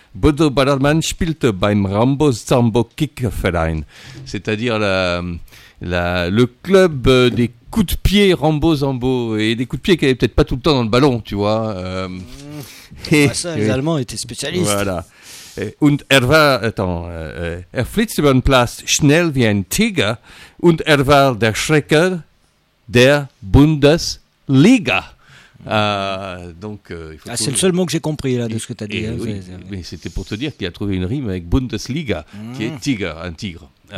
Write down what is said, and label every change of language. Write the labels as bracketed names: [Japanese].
[German] Bodo Ballermann spielte beim Rambo Sambo Kickerverein, [French] c'est-à-dire le club des coups de pied Rambo Sambo, et des coups de pied qui n'avaient peut-être pas tout le temps dans le ballon, tu vois. Les Allemands étaient spécialistes. Voilà. [German] Und war, attends, flitzte über den Platz schnell wie ein Tiger, und war der Schrecker der Bundesliga. [French] C'est le seul mot que j'ai compris là, de ce que tu as dit. Oui, mais c'était pour te dire qu'il a trouvé une rime avec Bundesliga, qui est tigre, un tigre.